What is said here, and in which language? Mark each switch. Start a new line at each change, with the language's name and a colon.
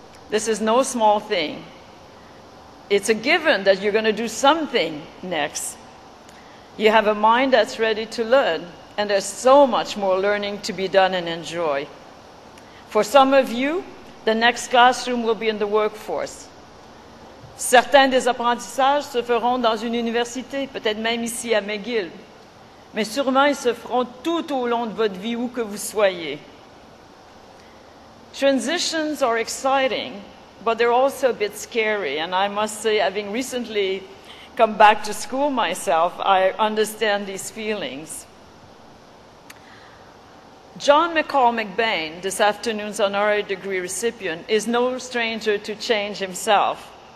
English: This is no small thing. It's a given that you're going to do something next. You have a mind that's ready to learn, and there's so much more learning to be done and enjoy. For some of you, the next classroom will be in the workforce.
French: Certains des apprentissages se feront dans une université, peut-être même ici à McGill. Mais sûrement, ils se feront tout au long de votre vie, où que vous soyez.
English: Transitions are exciting, but they're also a bit scary. And I must say, having recently come back to school myself, I understand these feelings. John McCormick Bain, this afternoon's honorary degree recipient, is no stranger to change himself.